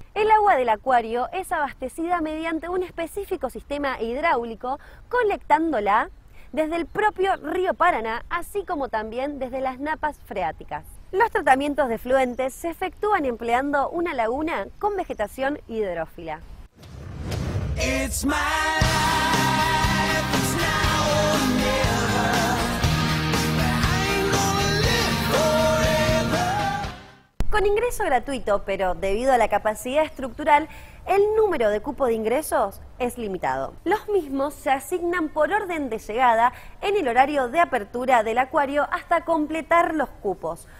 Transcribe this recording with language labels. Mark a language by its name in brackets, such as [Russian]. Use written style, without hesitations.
[Spanish] El agua del acuario es abastecida mediante un específico sistema hidráulico, colectándola desde el propio río Paraná, así como también desde las napas freáticas. Los tratamientos de efluentes se efectúan empleando una laguna con vegetación hidrófila. [English] It's my life, it's now or never. [Spanish] Con ingreso gratuito, pero debido a la capacidad estructural, el número de cupo de ingresos es limitado. Los mismos se asignan por orden de llegada en el horario de apertura del acuario hasta completar los cupos.